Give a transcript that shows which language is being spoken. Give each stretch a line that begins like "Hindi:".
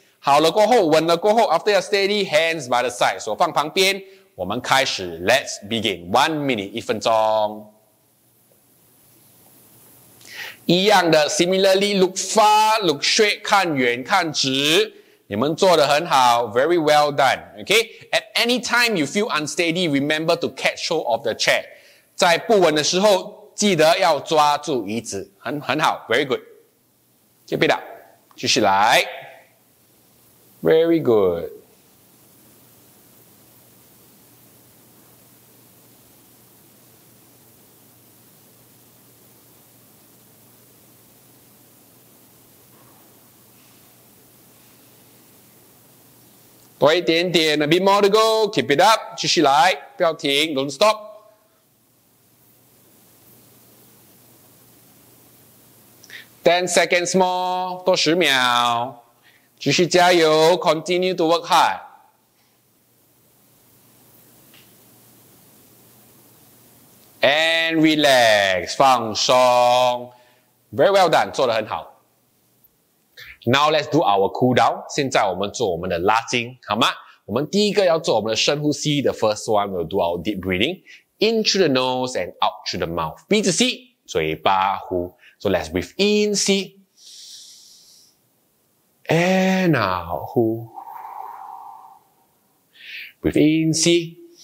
Chinese: 好了过后，稳了过后，
English: after a steady, hands by the side,
Chinese: 手放旁边，我们开始，
English: let's begin, 1 minute,
Chinese: 一分钟。一样的，
English: similarly, look far, look straight,
Chinese: 看远看直。你们做得很好，
English: very well done, okay? At any time you feel unsteady, remember to catch hold of the chair.
Chinese: 在不稳的时候记得要抓住椅子。很好，
English: very good. Keep it up.
Chinese: 继续来。
English: Very good. Boy, dian dian, a bit more to go. Keep it up.
Chinese: 继续来，不要停，
English: don't stop. Ten seconds more.
Chinese: 多十秒。继续加油，
English: continue to work hard. And relax,
Chinese: 放松。
English: Very well done,
Chinese: 做得很好。
English: Now let's do our cool down.
Chinese: 现在我们做我们的拉筋，好吗？我们第一个要做我们的深呼吸。
English: The first one, we'll do our deep breathing. In through the nose and out through the mouth.
Chinese: 鼻子吸，嘴巴呼。
English: So let's breathe in,
Chinese: 吸。
English: And out,
Chinese: 呼。
English: Breathe in,
Chinese: 吸。